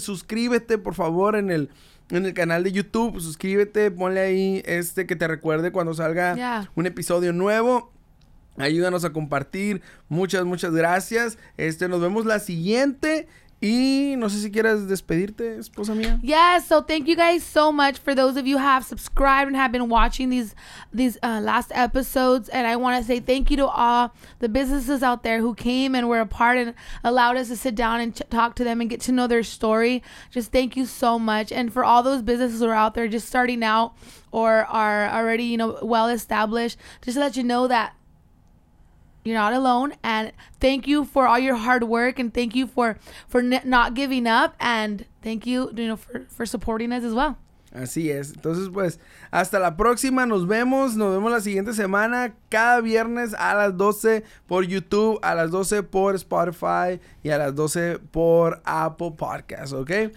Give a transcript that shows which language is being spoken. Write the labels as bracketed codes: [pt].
[es] Suscríbete, por favor, en el canal de YouTube, suscríbete, ponle ahí que te recuerde cuando salga un episodio nuevo. Ayúdanos a compartir. Muchas gracias. Nos vemos la siguiente. Y no sé si quieras despedirte, esposa mía. [en] Yes, so thank you guys so much for those of you who have subscribed and have been watching these last episodes. And I want to say thank you to all the businesses out there who came and were a part and allowed us to sit down and talk to them and get to know their story. Just thank you so much. And for all those businesses who are out there just starting out or are already, you know, well established, just to let you know that you're not alone, and thank you for all your hard work, and thank you for not giving up, and thank you, you know, for supporting us as well. [es] Así es. Entonces, pues, hasta la próxima. Nos vemos la siguiente semana, cada viernes a las 12 por YouTube, a las 12 por Spotify y a las 12 por Apple Podcast, ¿ok?